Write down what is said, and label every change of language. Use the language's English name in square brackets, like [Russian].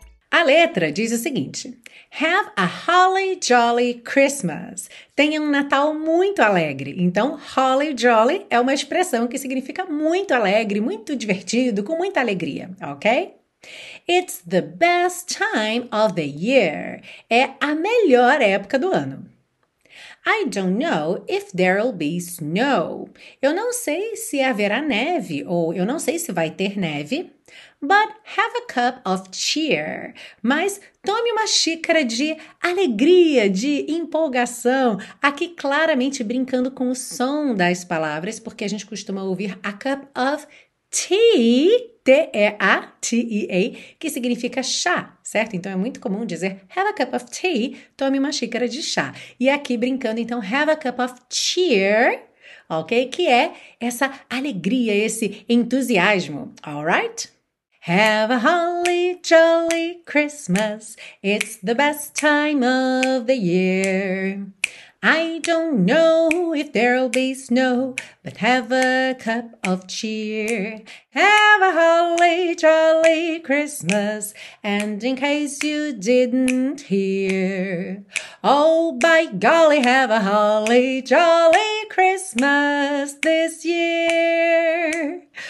[Portuguese] A letra diz o seguinte: [English] Have a holly jolly Christmas. [Portuguese] Tenha um Natal muito alegre. Então, holly jolly é uma expressão que significa muito alegre, muito divertido, com muita alegria, ok? [English] It's the best time of the year. [Portuguese] É a melhor época do ano. [English] I don't know if there'll be snow. [Portuguese] Eu não sei se haverá neve ou eu não sei se vai ter neve. [English] But have a cup of cheer. [Portuguese] Mas tome uma xícara de alegria, de empolgação. Aqui claramente brincando com o som das palavras, porque a gente costuma ouvir [English] a cup of tea. [Portuguese] T-E-A-T-E-A, que significa chá, certo? Então, é muito comum dizer [English] have a cup of tea, [Portuguese] tome uma xícara de chá. E aqui, brincando, então, [English] have a cup of cheer, [Portuguese] ok? Que é essa alegria, esse entusiasmo, [English] all right? Have a holly jolly Christmas, it's the best time of the year. I don't know if there'll be snow, but have a cup of cheer. Have a holly jolly Christmas, and in case you didn't hear, oh, by golly, have a holly jolly Christmas this year.